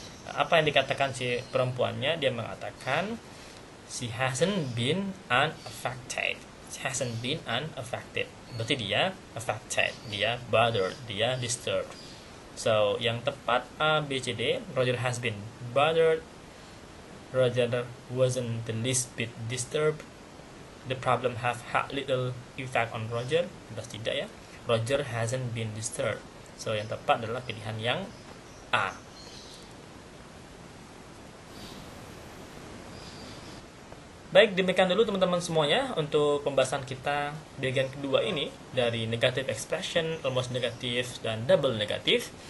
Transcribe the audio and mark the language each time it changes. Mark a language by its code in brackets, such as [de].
[id] Apa yang dikatakan si perempuannya? Dia mengatakan [en] she hasn't been unaffected. She hasn't been unaffected. [id] Berarti dia affected, dia bothered, dia disturbed. [en] So, [id] yang tepat [en] A, B, C, D, Roger has been bothered. Roger wasn't the least bit disturbed. The problem have had little effect on Roger. [id] Jelas tidak ya. [en] Roger hasn't been disturbed. [id] So yang tepat adalah pilihan yang A. Baik, demikian dulu teman-teman semuanya untuk pembahasan kita bagian kedua ini dari negative expression, almost negative, dan double negative.